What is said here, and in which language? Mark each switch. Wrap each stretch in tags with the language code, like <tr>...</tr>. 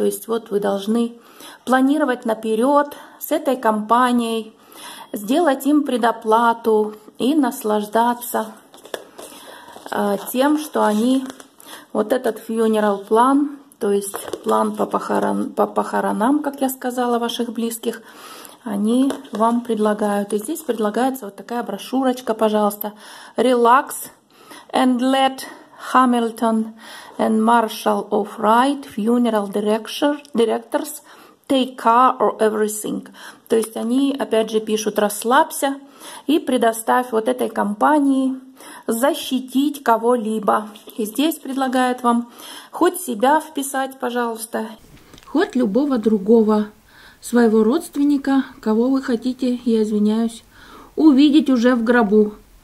<ru>То есть вот вы должны планировать наперед с этой компанией, сделать им предоплату и наслаждаться тем, что они вот этот funeral plan, то есть план по похоронам, как я сказала, ваших близких, они вам предлагают. И здесь предлагается вот такая брошюрочка, пожалуйста.</ru> <en>Relax and let Hamilton and Marshall of Wright Funeral Directors take care of everything.</en> <ru>То есть они опять же пишут: расслабься и предоставь вот этой компании защитить кого-либо. И здесь предлагают вам хоть себя вписать, пожалуйста. Хоть любого другого своего родственника, кого вы хотите, я извиняюсь, увидеть уже в гробу.</ru>